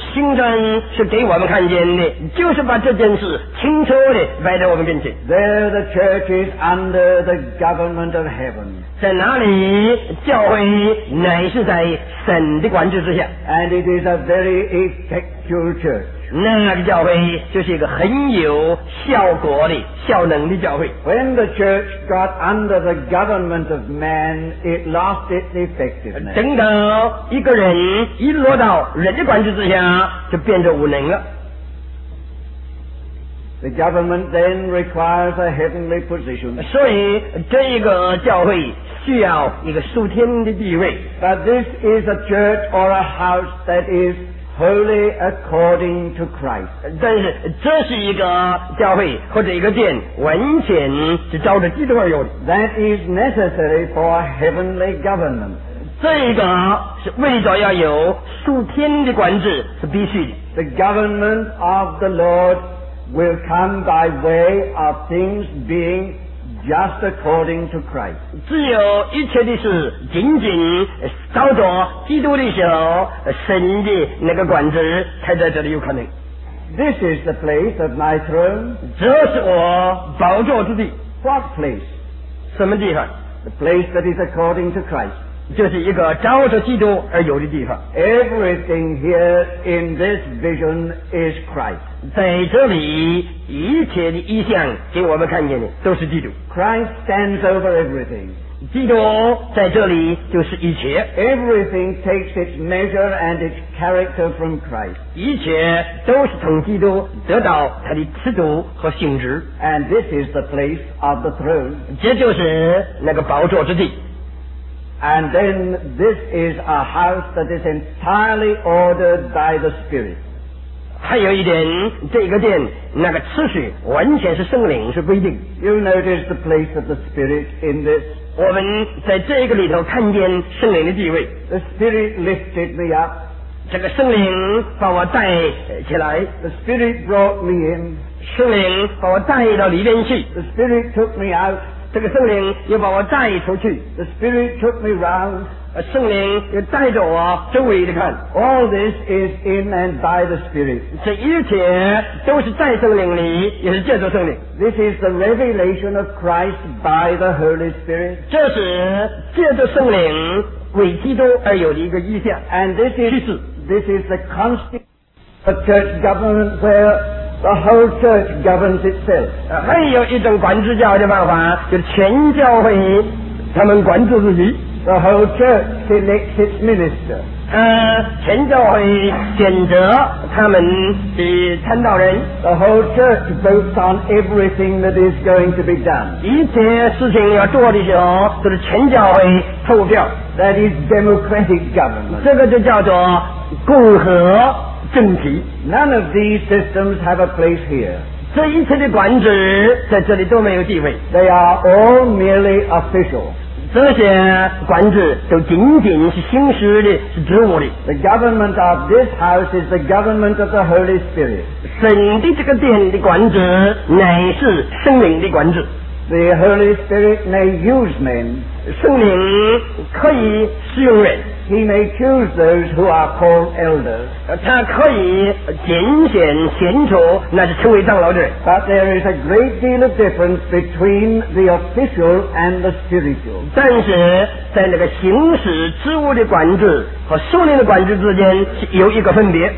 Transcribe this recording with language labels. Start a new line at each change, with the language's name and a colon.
Chinese: 新章是给我们看见的，就是把这件事清楚地摆在我们面前。
English: There the church is under the government of heaven.
Chinese: 在哪里，教会乃是在神的管制之下。
English: And it is a very effectual church.
Chinese: 那个教会就是一个很有效果的效能的教会
English: When the church got under the government of man it lost its effectiveness
Chinese: 等到一个人一落到人的管制之下就变得无能了
English: The government then requires a heavenly position
Chinese: 所以这一个教会需要一个属天的地位
English: But this is a church or a house that isHoly according to Christ.
Chinese: 但是这是一个教会或者一个殿完全是照着基督而有的。
English: That is necessary for heavenly government.
Chinese: 这个是为着要有属天的管制是必须的。
English: The government of the Lord will come by way of things being just according to Christ.
Chinese: 只有一切的事仅仅照着基督的时候神的那个管制才在这里有可能
English: This is the place of my throne
Chinese: 这是我宝座之地
English: What place?
Chinese: 什么地方
English: The place that is according to Christ
Chinese: 这是一个招着基督而游的地方。
English: Everything here in this vision is Christ.
Chinese: 在这里，一切的意象给我们看见的都是基督。
English: Christ stands over everything.
Chinese: 基督在这里就是一切。
English: Everything takes its measure and its character from Christ.
Chinese: 一切都是从基督得到它的尺度和性质。
English: And this is the place of the throne.
Chinese: 这就是那个宝座之地。
English: And then this is a house that is entirely ordered by the Spirit.
Chinese: 还有一点，这个殿那个次序完全是圣灵是规定。
English: You notice the place of the Spirit in this.
Chinese: 我们在这个里头看见圣灵的地位。
English: The Spirit lifted me up.
Chinese: 这个圣灵把我带起来。
English: The Spirit brought me in.
Chinese: 圣灵把我带到里边去。
English: The Spirit took me out.
Chinese: 这个圣灵又把我带出去。
English: The Spirit took me round.
Chinese: 圣灵又带着我周围的看。
English: All this is in and by the Spirit.
Chinese: 这一切都是在圣灵里，也是借着圣灵。
English: This is the revelation of Christ by the Holy Spirit.
Chinese: 这是借着圣灵为基督而有的一个意象。
English: And this is the constitution of church government where. The whole church governs itself.
Chinese: 还有一种管制教的办法，就是全教会他们管制自己。
English: The whole church selects its minister.
Chinese: 全教会选择他们的传道人。
English: The whole church votes on everything that is going to be done.
Chinese: 一切事情要做的时候，就是全教会投票。
English: That is democratic government.
Chinese: 这个就叫做共和。
English: None of these systems have a place here.
Chinese: 这一切的管制在这里都没有地位。
English: They are all merely official.
Chinese: 这些管制都仅仅是形式的，是职务的。
English: The government of this house is the government of the Holy Spirit.
Chinese: 神的这个殿的管制乃是圣灵的管制。
English: The Holy Spirit may use men.
Chinese: 圣灵可以使用人。
English: He may choose those who are called elders.
Chinese: 他可以拣选选出那是称为长老的人。
English: But there is a great deal of difference between the official and the spiritual.
Chinese: 但是在那个行使职务的管制和属灵的管制之间有一个分别。